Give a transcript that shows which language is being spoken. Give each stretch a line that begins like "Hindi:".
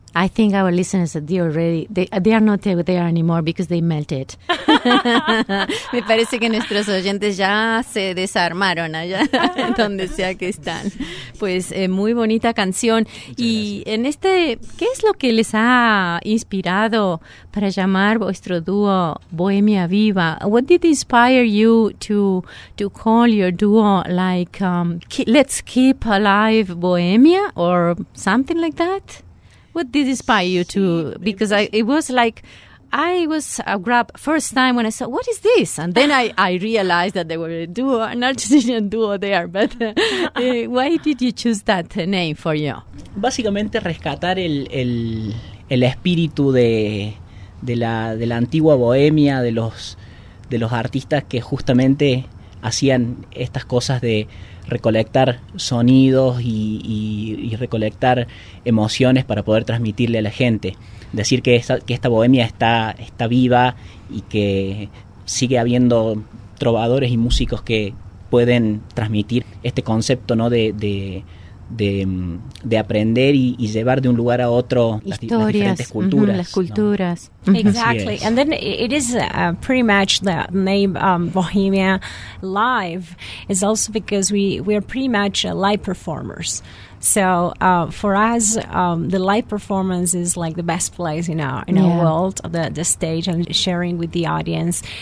English: I think our listeners, they are not there anymore because they melted.
Spanish: Me parece que nuestros oyentes ya se desarmaron allá, donde sea que están. Pues muy bonita canción. Muchas y gracias. En este, ¿qué es lo que les ha inspirado para llamar vuestro dúo Bohemia Viva?
English: What did inspire you to call your duo like let's keep alive Bohemia or something like that? What did inspire you to, because first time when I saw, what is this? And then I realized that they were a duo, an Argentinian duo there, but why did you choose that name for you?
Spanish: Básicamente rescatar el espíritu de la antigua bohemia, de los artistas que justamente hacían estas cosas de recolectar sonidos y recolectar emociones para poder transmitirle a la gente. Decir que esta bohemia está viva y que sigue habiendo trovadores y músicos que pueden transmitir este concepto, ¿no? De aprender y llevar de un lugar a otro historias, las diferentes culturas. Las culturas. ¿No?
English: Exactly. And then it is pretty much the name Bohemia Live is also because we are pretty much live performers. So for us, the live performance is like the best place in our world, the stage and sharing with the audience.